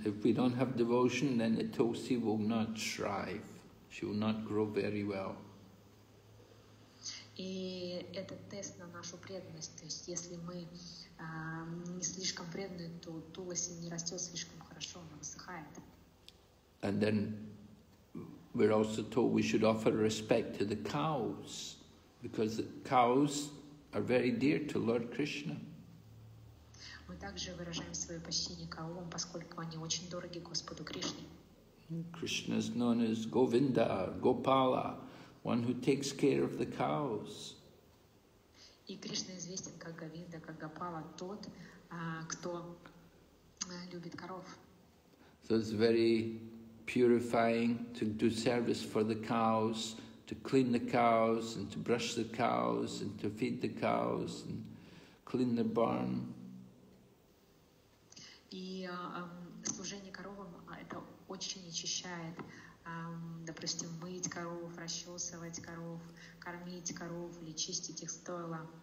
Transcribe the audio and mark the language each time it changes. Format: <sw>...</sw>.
<en>If we don't have devotion, then the Tosi will not thrive. She will not grow very well.</en> <ru>И это тест на нашу преданность. То есть, если мы не слишком преданы, то Туласи не растет слишком хорошо, она высыхает.</ru> <en>And then we're also told we should offer respect to the cows, because the cows are very dear to Lord Krishna.</en> <ru>Мы также выражаем свое почтение коровам, поскольку они очень дороги Господу Кришне.</ru> <en>Krishna is known as Govinda, Gopala, one who takes care of the cows.</en> <ru>И Кришна известен как Говинда, как Гопала, тот, кто любит коров.</ru> <en>So it's very purifying to do service for the cows, to clean the cows, and to brush the cows, and to feed the cows, and clean the barn.</en> <ru>И служение коровам это очень очищает, допустим, мыть коров, расчесывать коров, кормить коров или чистить их стойла.</ru>